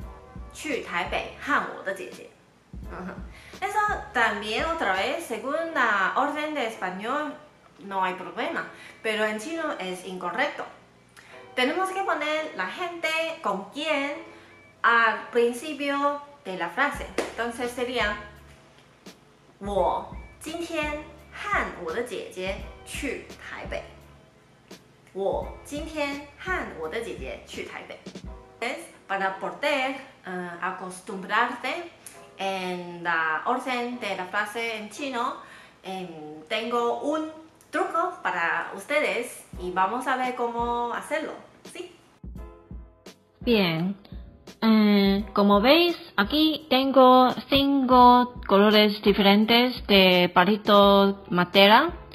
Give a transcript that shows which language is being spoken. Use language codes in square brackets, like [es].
[zh] 我今天去台北和我的姐姐. [es] Eso también otra vez, según la orden de español, no hay problema. Pero en chino es incorrecto. Tenemos que poner la gente con quién al principio de la frase. Entonces sería [zh] 我今天和我的姐姐去台北. 我今天和我的姐姐去台北. [es] Es para poder acostumbrarte en la orden de la frase en chino, tengo un truco para ustedes y vamos a ver cómo hacerlo, ¿sí? Bien, como veis, aquí tengo 5 colores diferentes de palito madera.